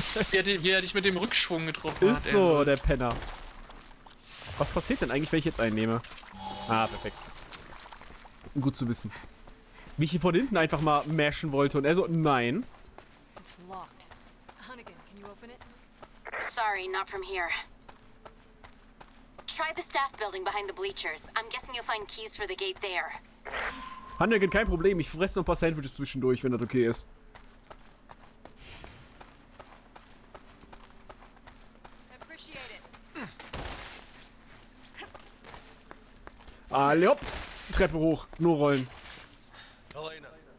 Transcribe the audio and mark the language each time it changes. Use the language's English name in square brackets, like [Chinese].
[German] Hier hätte ich mit dem Rückschwung getroffen. Ist so, der Penner. Was passiert denn eigentlich, wenn ich jetzt einen nehme? Ah, perfekt. Gut zu wissen. Wie ich hier von hinten einfach mal mashen wollte und er so, nein. [English] It's locked. Hunnigan, can you open it? Sorry, not from here. Try the staff building behind the bleachers. I'm guessing you'll find keys for the gate there. [German] Hunnigan, kein Problem. Ich fresse noch ein paar Sandwiches zwischendurch, wenn das okay ist. Alle hopp! Treppe hoch, nur rollen. Helena.